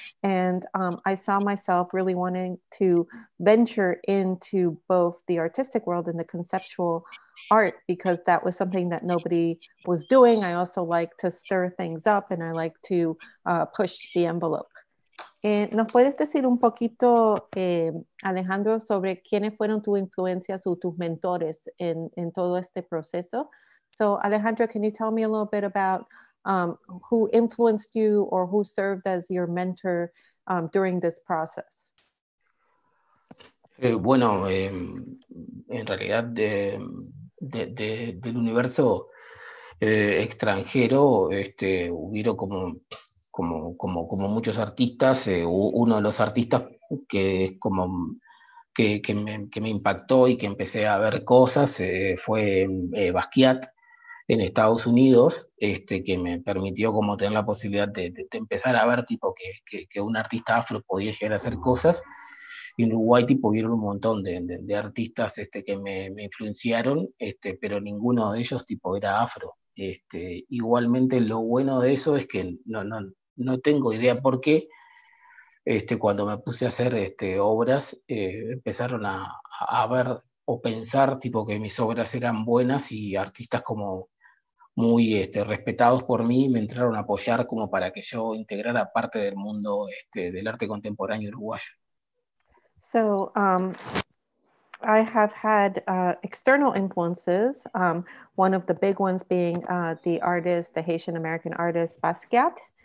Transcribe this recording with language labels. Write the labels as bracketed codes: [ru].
[en] And I saw myself really wanting to venture into both the artistic world and the conceptual art, because that was something that nobody was doing. I also like to stir things up, and I like to push the envelope. [es] ¿Nos puedes decir un poquito, Alejandro, sobre quiénes fueron tus influencias o tus mentores en todo este proceso? [en] So, Alejandro, can you tell me a little bit about who influenced you or who served as your mentor during this process? [es] En realidad del universo extranjero, hubo como muchos artistas, uno de los artistas que me impactó y que empecé a ver cosas fue Basquiat en Estados Unidos, que me permitió como tener la posibilidad de empezar a ver tipo que un artista afro podía llegar a hacer cosas. Y en Uruguay tipo vieron un montón de artistas que me influenciaron, pero ninguno de ellos tipo era afro. Igualmente lo bueno de eso es que no tengo idea por qué, cuando me puse a hacer obras, empezaron a ver o pensar tipo que mis obras eran buenas y artistas como muy respetados por mí me entraron a apoyar como para que yo integrara parte del mundo del arte contemporáneo uruguayo. [en] So I have had external influences, one of the big ones being the Haitian American artist Basquiat.